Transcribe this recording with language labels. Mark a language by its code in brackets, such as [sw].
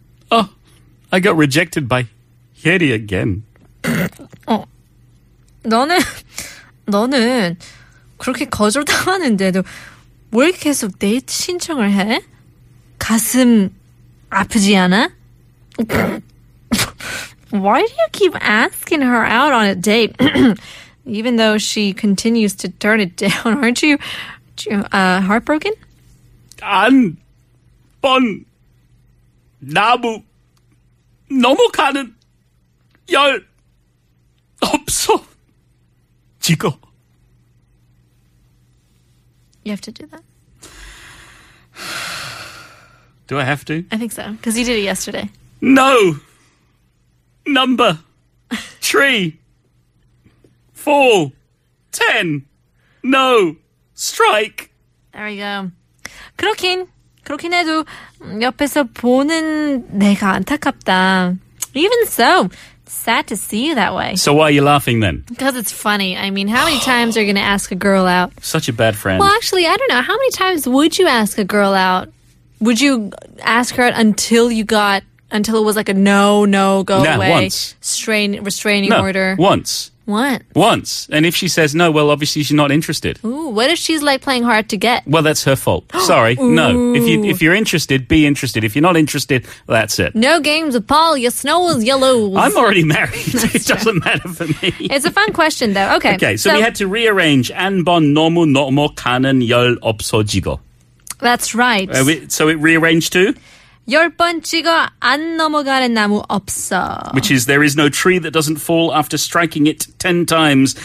[en] Oh, I got rejected by 혜리 again. [ko] 너는... 그렇게 거절당하는데도 왜 계속 데이트 신청을 해? 가슴 아프지 않아? [en] Why do you keep asking her out on a date? Even though she continues to turn it down, aren't you heartbroken? [ko] 안 번 나무 넘어가는 열 없어 지금. [en] You have to do that. Do I have to? I think so, because you did it yesterday. No! Number 3, 4, 10. No! Strike! There we go. [ko] 그렇긴 해도 옆에서 보는 내가 안타깝다. [en] Even so, sad to see you that way. So why are you laughing then? Because it's funny. I mean, how many times are you going to ask a girl out? Such a bad friend. Well, actually, I don't know. How many times would you ask a girl out? Would you ask her out until it was like a no, go nah, away? Once. Restraining no, order. Once. What? Once. And if she says no, well, obviously she's not interested. Ooh, what if she's like playing hard to get? Well, that's her fault. Sorry, no. If you're interested, be interested. If you're not interested, that's it. No games with Paul. Your snow is yellow. I'm already married. It doesn't matter for me. It's a fun question, though. Okay. Okay, so we had to rearrange. [ko] 안 번 너무 너무 가는 열 없어지고. [en] That's right. So it rearranged to? [ko] 열 번 찍어 안 넘어가는 나무 없어. [en] Which is, there is no tree that doesn't fall after striking it 10 times.